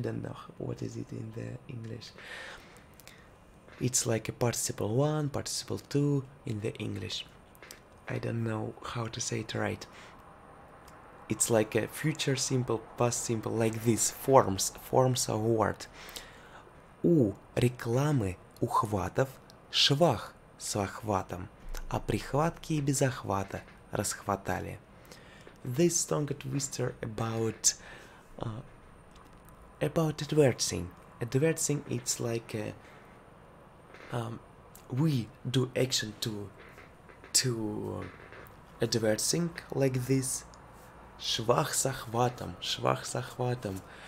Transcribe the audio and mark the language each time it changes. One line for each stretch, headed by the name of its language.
English: I don't know what is it in the English. It's like a participle one, participle two in the English. I don't know how to say it right. It's like a future simple, past simple, like this. Forms of word.
Russian: У рекламы ухватов швах с охватом, а прихватки и без охвата расхватали.
English: This tongue twister about advertising. Advertising, it's like we do action to advertising like this.
Russian: Швах с охватом, швах с охватом.